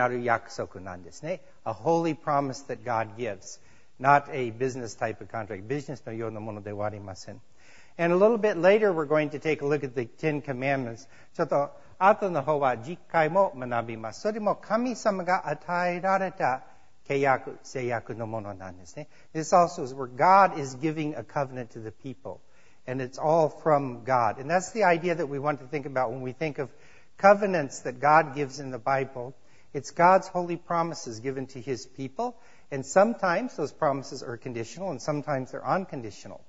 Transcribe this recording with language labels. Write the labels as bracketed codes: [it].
[ja] 一方的に神様から与えられた聖なる約束なんですね。 [en] A holy promise that God gives. Not a business type of contract. [ja] ビジネスのようなものではありません。 [en] And a little bit later, we're going to take a look at the Ten Commandments. [ja] ちょっと後の方は次回も学びます。それも神様が与えられた契約、聖約のものなんですね。 [en] This also is where God is giving a covenant to the people. And it's all from God. And that's the idea that we want to think about when we think of covenants that God gives in the Bible. It's God's holy promises given to his people. And sometimes those promises are conditional and sometimes they're unconditional.